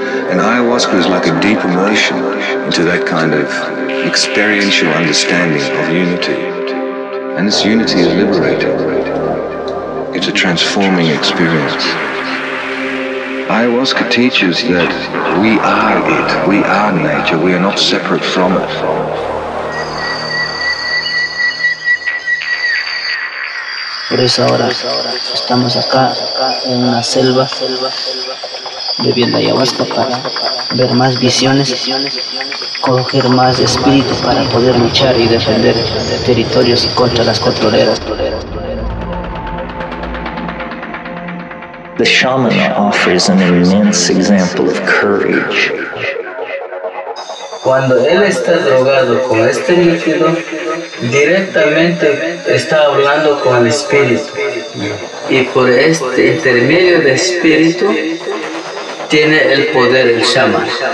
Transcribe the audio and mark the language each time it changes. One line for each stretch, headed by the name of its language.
English: And ayahuasca is like a deep immersion into that kind of experiential understanding of unity. And this unity is liberating. It's a transforming experience. Ayahuasca teaches that we are it, we are nature, we are not separate from it.
Spanish: Por eso ahora estamos acá en una selva bebiendo ayahuasca para ver más visiones, coger más espíritu para poder luchar y defender territorios contra las controleras.
English: The shaman offers an immense example of courage.
Spanish: Cuando él está drogado con este líquido, directamente está hablando con el espíritu. Y por este intermedio de espíritu, tiene el poder el shaman.